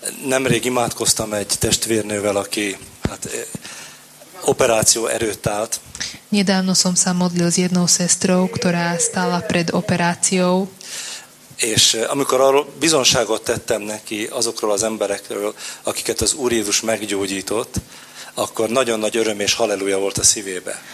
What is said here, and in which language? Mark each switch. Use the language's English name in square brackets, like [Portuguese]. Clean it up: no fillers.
[Hungarian] Nemrég imádkoztam egy testvérnővel, aki operáció erőt állt. [Slovak] Nedávno som sa modlil s jednou sestrou, ktorá stála pred operáciou. [Hungarian] És amikor arról bizonságot tettem neki azokról az emberekről, akiket az Úr Jézus meggyógyított, akkor nagyon nagy öröm és halleluja volt a szívébe.